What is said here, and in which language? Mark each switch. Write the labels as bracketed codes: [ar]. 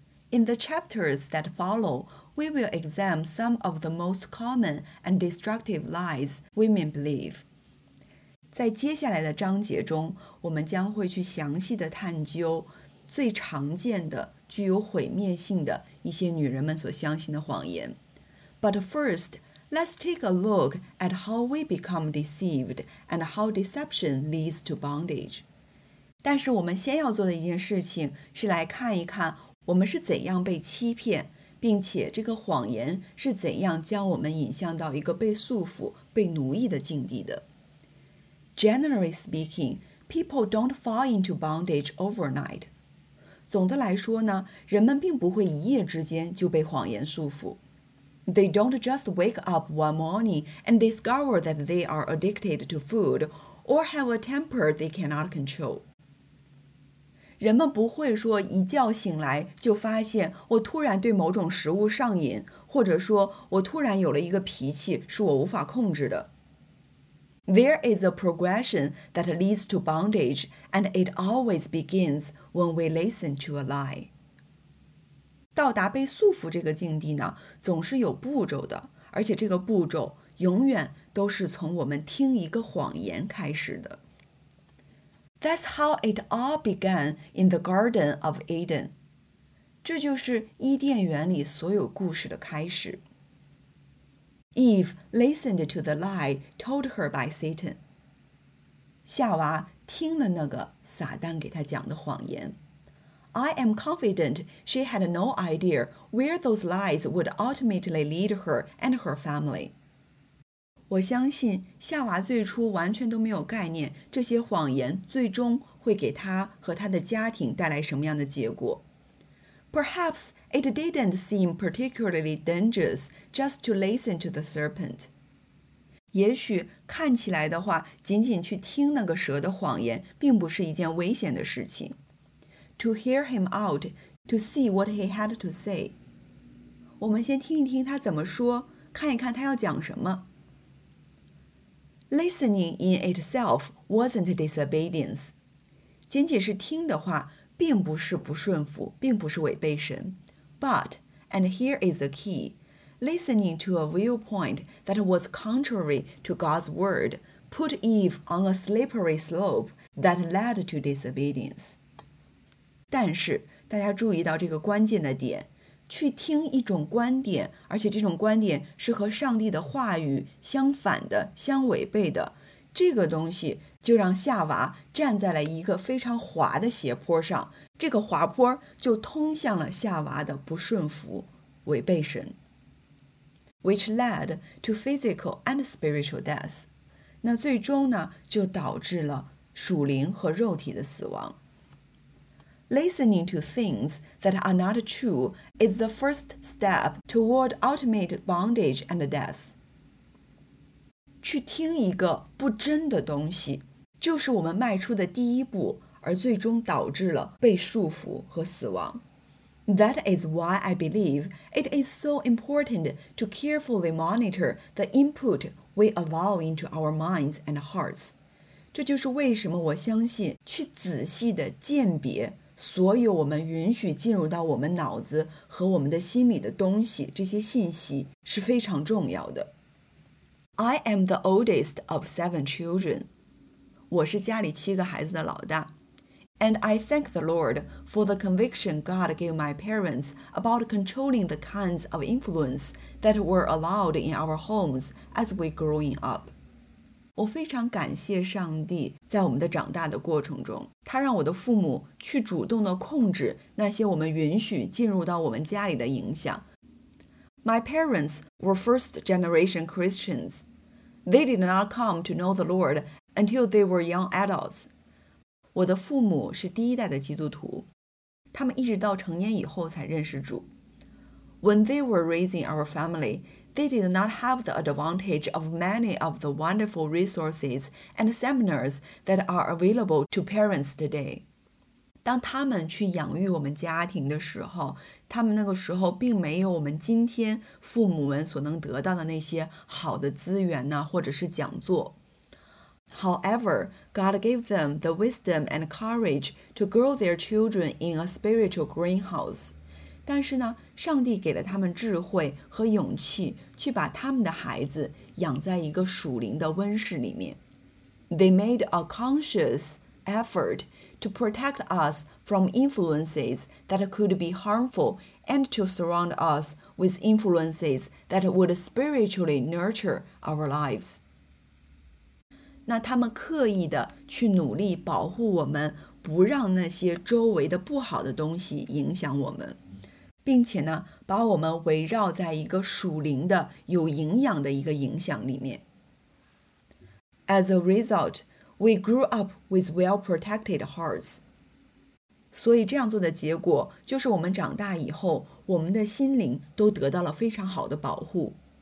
[en] In the chapters that follow, we will examine some of the most common and destructive lies women believe。 [zh] 在接下来的章节中，我们将会去详细的探究最常见的、具有毁灭性的一些女人们所相信的谎言。 [en] But first, let's take a look at how we become deceived and how deception leads to bondage. [zh] 但是我们先要做的一件事情是来看一看我们是怎样被欺骗，并且这个谎言是怎样将我们引向到一个被束缚、被奴役的境地的。 [en] Generally speaking, people don't fall into bondage overnight. [zh] 总的来说呢，人们并不会一夜之间就被谎言束缚。 [en] They don't just wake up one morning and discover that they are addicted to food or have a temper they cannot control. [zh] 人们不会说一觉醒来就发现我突然对某种食物上瘾，或者说我突然有了一个脾气是我无法控制的。 [en] There is a progression that leads to bondage, and it always begins when we listen to a lie. [zh] 到达被束缚这个境地呢，总是有步骤的，而且这个步骤永远都是从我们听一个谎言开始的。 [en] That's how it all began in the Garden of Eden. [zh] 这就是伊甸园里所有故事的开始。 [en] Eve listened to the lie told her by Satan. [zh] 夏娃听了那个撒旦给她讲的谎言。 [en] I am confident she had no idea where those lies would ultimately lead her and her family. [zh] 我相信夏娃最初完全都没有概念这些谎言最终会给她和她的家庭带来什么样的结果。 [en] Perhaps it didn't seem particularly dangerous just to listen to the serpent. [zh] 也许看起来的话，仅仅去听那个蛇的谎言，并不是一件危险的事情。 [en] To hear him out, to see what he had to say. [zh] 我们先听一听他怎么说，看一看他要讲什么。 [en] Listening in itself wasn't disobedience. [zh] 仅仅是听的话并不是不顺服，并不是违背神。 [en] But, and here is the key, listening to a viewpoint that was contrary to God's word put Eve on a slippery slope that led to disobedience. [zh] 但是，大家注意到这个关键的点，去听一种观点，而且这种观点是和上帝的话语相反的，相违背的，这个东西就让夏娃站在了一个非常滑的斜坡上，这个滑坡就通向了夏娃的不顺服、违背神。 [en] Which led to physical and spiritual death. [zh] 那最终呢，就导致了属灵和肉体的死亡。 [en] Listening to things that are not true is the first step toward ultimate bondage and death. [zh] 去听一个不真的东西，就是我们迈出的第一步，而最终导致了被束缚和死亡。 [en] That is why I believe it is so important to carefully monitor the input we allow into our minds and hearts. [zh] 这就是为什么我相信去仔细地鉴别所有我们允许进入到我们脑子和我们的心里的东西，这些信息是非常重要的。 [en] I am the oldest of 7 children. [zh] 我是家里七个孩子的老大。 [en] And I thank the Lord for the conviction God gave my parents about controlling the kinds of influence that were allowed in our homes as we growing up. [zh] 我非常感谢上帝在我们的长大的过程中，他让我的父母去主动地控制那些我们允许进入到我们家里的影响。 [en] My parents were first-generation Christians. They did not come to know the Lord until they were young adults. [zh] 我的父母是第一代的基督徒，他们一直到成年以后才认识主。 [en] When they were raising our family, they did not have the advantage of many of the wonderful resources and seminars that are available to parents today. [zh] 当他们去养育我们家庭的时候，他们那个时候并没有我们今天父母们所能得到的那些好的资源呢，或者是讲座。 [en] However, God gave them the wisdom and courage to grow their children in a spiritual greenhouse. [zh] 但是呢，上帝给了他们智慧和勇气去把他们的孩子养在一个属灵的温室里面。 [en] They made a conscious effort to protect us from influences that could be harmful and to surround us with influences that would spiritually nurture our lives. [zh] 那他们刻意的去努力保护我们，不让那些周围的不好的东西影响我们，并且呢，把我们围绕在一个属灵的、有营养的一个影响里面。 [en] As a result, we grew up with well-protected hearts. [zh] 所以这样做的结果，就是我们长大以后，我们的心灵都得到了非常好的保护。